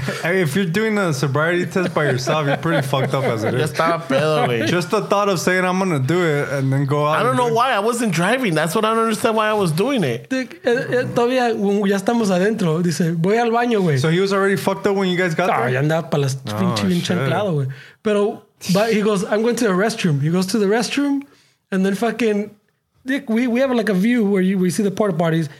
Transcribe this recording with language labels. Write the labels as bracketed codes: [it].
[en] Hey, if you're doing a sobriety test by yourself, you're pretty fucked up as it is. [es] Ya estaba pedo, güey. [en] Just the thought of saying I'm going to do it and then go out. I don't know why. I wasn't driving. That's what I don't understand why I was doing it. [es] Todavía, ya estamos adentro. Dice, voy al baño, güey. [en] So he was already fucked up when you guys got there? [es] Ya andaba para las pinches bien chanclado, güey. [en] Pero, but he goes, I'm going to the restroom. He goes to the restroom and then fucking... Dick, we have like a view where we see the porta parties.